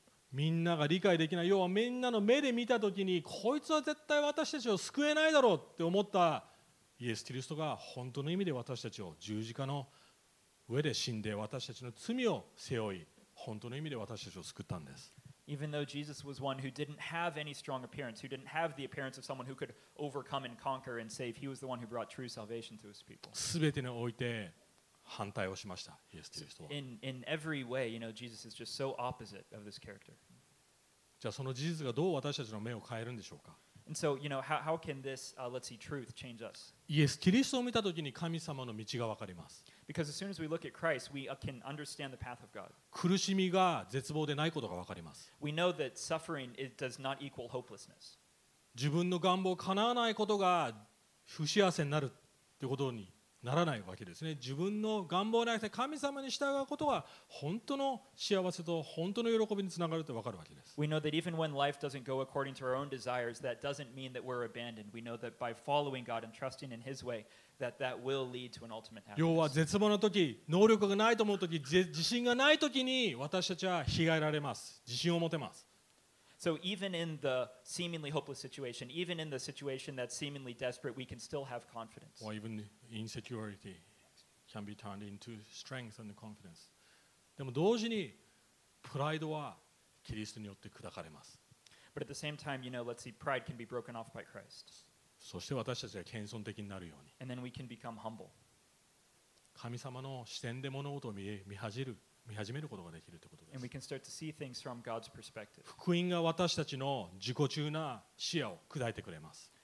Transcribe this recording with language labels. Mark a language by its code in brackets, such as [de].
[ja] みんなが理解できない、要はみんなの目で見たときに、こいつは絶対私たちを救えないだろうって思ったイエス・キリストが本当の意味で私たちを十字架の上で死んで私たちの罪を背負い、本当の意味で私たちを救ったんです。 [en] Even though Jesus was one who didn't have any strong appearance, who didn't have the appearance of someone who could overcome and conquer and save, he was the one who brought true salvation to his people. [ja] 全てにおいて反対をしました。イエス・キリストは。 [en] In every way, you know, Jesus is just so opposite of this character. [ja] じゃあその事実がどう私たちの目を変えるんでしょうか。 [en] And so, you know, how can this, let's see, truth change us? [ja] イエス・キリストを見たときに神様の道がわかります。 [en] Because as soon as we look at Christ, we can understand the path of God. [ja] 苦しみが絶望でないことが分かります。 [en] We know that suffering it does not equal hopelessness. [ja] 自分の願望を叶わないことが不幸せになるってことにならないわけですね。自分の願望なくて神様に従うことは本当の幸せと本当の喜びにつながるって分かるわけです。 [en] We know that even when life doesn't go according to our own desires, that doesn't mean that we're abandoned. We know that by following God and trusting in His way,That will lead to an ultimate happiness. [ja] 要は絶望の時、能力がないと思う時、自信がない時に私たちは被害られます。自信を持てます。 [en] So even in the seemingly hopeless situation, even in the situation that's seemingly desperate, we can still have confidence. Or even insecurity can be turned into strength and confidence. [ja] でも同時にプライドはキリストによって砕かれます。 [en] But at the same time, you know, let's see, pride can be broken off by Christ. [ja] そして私たちが謙遜的になるように [en] And then we can become humble. [ja] 神様の視点で物事を 見始めることができるということです [en] And we can start to see things from God's perspective. [ja] 福音が私たちの自己中な視野を砕いてくれます